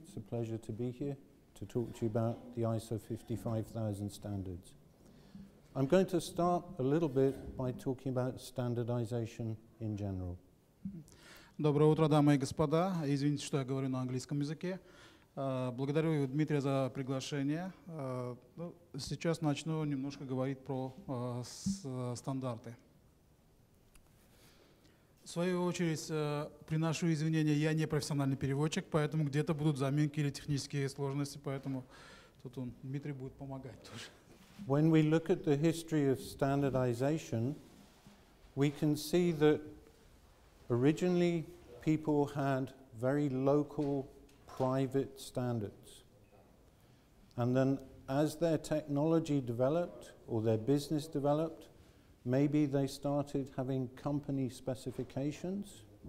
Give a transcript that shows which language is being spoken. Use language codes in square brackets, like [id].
[en] It's a pleasure to be here to talk to you about the ISO 55000 standards. I'm going to start a little bit by talking about standardization in general. [ru] Доброе утро, дамы и господа. Извините, что я говорю на английском языке. Благодарю Дмитрия за приглашение. Сейчас начну немножко говорить про стандарты. В свою очередь, приношу извинения, я не профессиональный переводчик, поэтому где-то будут заминки или технические сложности, поэтому тут он, Дмитрий будет помогать тоже. [en] When we look at the history of standardization, we can see that originally people had very local private standards. And then as their technology developed or their business developed, maybe they started having company specifications.